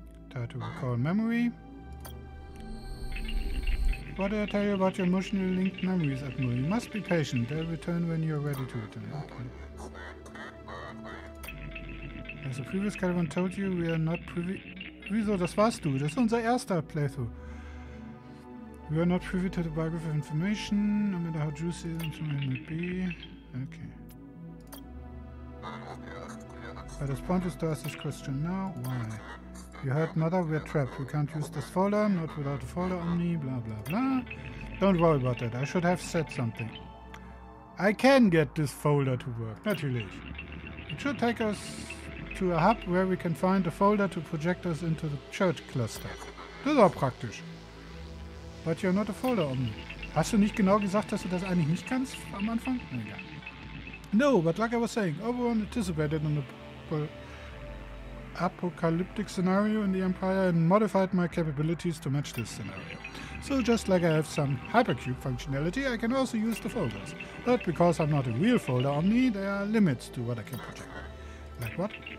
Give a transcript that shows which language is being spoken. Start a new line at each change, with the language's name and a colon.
English: Try to recall memory. What did I tell you about your emotionally linked memories, Admiral? You must be patient. They'll return when you're ready to return. Okay. As the previous Caliban told you, we are not privy...
German: Wieso, das warst du. Das ist unser erster Playthrough.
English: We are not privy to the biography of information, no matter how juicy it might be. Okay. But the point is to ask this question now. Why? You heard Mother, we're trapped. We can't use this folder, not without a folder Omni, blah blah blah. Don't worry about that, I should have said something. I can get this folder to work, natürlich. It should take us to a hub where we can find a folder to project us into the church cluster.
German: Das ist auch praktisch.
English: But you're not a folder Omni.
German: Hast du nicht genau gesagt, dass du das eigentlich nicht kannst am Anfang? Ja.
English: No, but like I was saying, Oberon anticipated on the... apocalyptic scenario in the Empire and modified my capabilities to match this scenario. So just like I have some hypercube functionality, I can also use the folders. But because I'm not a real folder Omni, there are limits to what I can project. Like what?